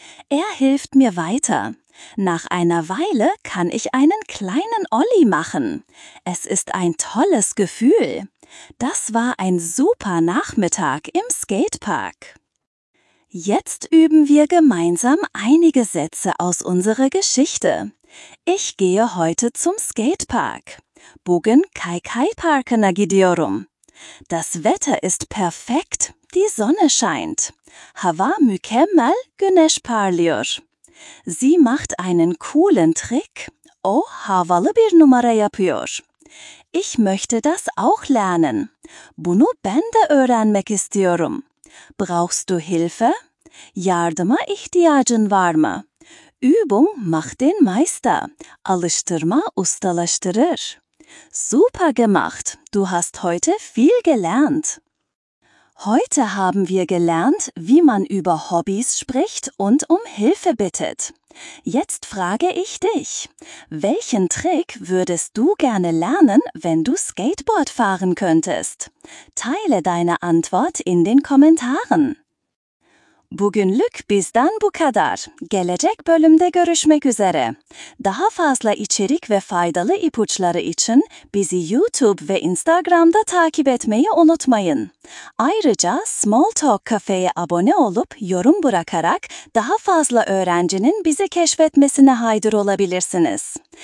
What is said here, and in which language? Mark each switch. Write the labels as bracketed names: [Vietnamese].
[German] Er hilft mir weiter. Nach einer Weile kann ich einen kleinen Olli machen. Es ist ein tolles Gefühl. Das war ein super Nachmittag im Skatepark. Jetzt üben wir gemeinsam einige Sätze aus unserer Geschichte. Ich gehe heute zum Skatepark. [Turkish] Bugün Kaikaiparkına gidiyorum. [German] Das Wetter ist perfekt. Die Sonne scheint. [Turkish] Hava mükemmel, güneş parlıyor. [German] Sie macht einen coolen Trick. [Turkish] O havalı bir numara yapıyor. [German] Ich möchte das auch lernen. [Turkish] Bunu ben de öğrenmek istiyorum. [German] Brauchst du Hilfe? [Turkish] Yardıma ihtiyacın var mı? [German] Übung macht den Meister. [Turkish] Alıştırma ustalaştırır. [German] Super gemacht. Du hast heute viel gelernt. Heute haben wir gelernt, wie man über Hobbys spricht und um Hilfe bittet. Jetzt frage ich dich, welchen Trick würdest du gerne lernen, wenn du Skateboard fahren könntest? Teile deine Antwort in den Kommentaren. [Turkish] Bugünlük bizden bu kadar. Gelecek bölümde görüşmek üzere. Daha fazla içerik ve faydalı ipuçları için bizi YouTube ve Instagram'da takip etmeyi unutmayın. Ayrıca Small Talk Cafe'ye abone olup yorum bırakarak daha fazla öğrencinin bizi keşfetmesine haydır olabilirsiniz.